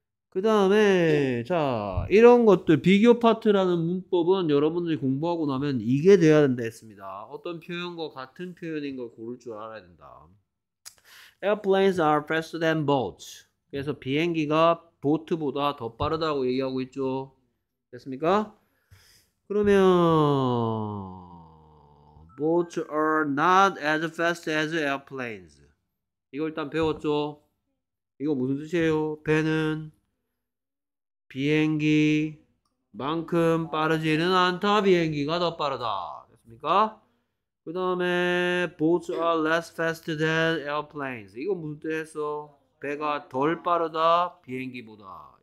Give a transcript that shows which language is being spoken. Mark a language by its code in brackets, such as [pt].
[ko] 그 다음에 자 이런 것들 비교 파트라는 문법은 여러분들이 공부하고 나면 이게 돼야 된다 했습니다. 어떤 표현과 같은 표현인 걸 고를 줄 알아야 된다. [en] Airplanes are faster than boats. [ko] 그래서 비행기가 보트보다 더 빠르다고 얘기하고 있죠. 됐습니까? 그러면 [en] boats are not as fast as airplanes. [ko] 이거 일단 배웠죠? 이거 무슨 뜻이에요? 배는 비행기 만큼 빠르지는 않다. 비행기가 더 빠르다. 됐습니까? 그 다음에 [en] boats are less fast than airplanes. [ko] 이거 무슨 뜻이었어? 배가 덜 빠르다. 비행기보다.